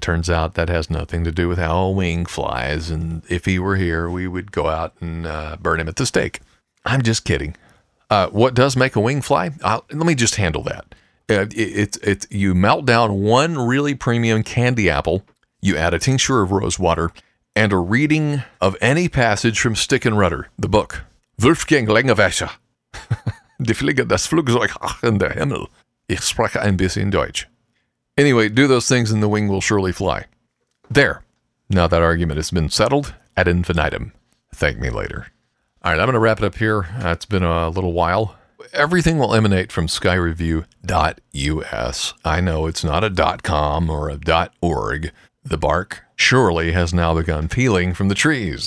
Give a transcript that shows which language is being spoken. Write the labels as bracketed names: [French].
[English] Turns out that has nothing to do with how a wing flies. And if he were here, we would go out and burn him at the stake. I'm just kidding. What does make a wing fly? Let me just handle that. You melt down one really premium candy apple. You add a tincture of rose water and a reading of any passage from Stick and Rudder, the book. [German] Wolfgang Langewäscher. Die Fliege, das Flugzeug, ach, in der Himmel. Ich spreche ein bisschen Deutsch. [English] Anyway, do those things and the wing will surely fly. There. Now that argument has been settled ad infinitum. Thank me later. All right, I'm going to wrap it up here. It's been a little while. Everything will emanate from skyreview.us. I know it's not a .com or a .org. The bark surely has now begun peeling from the trees.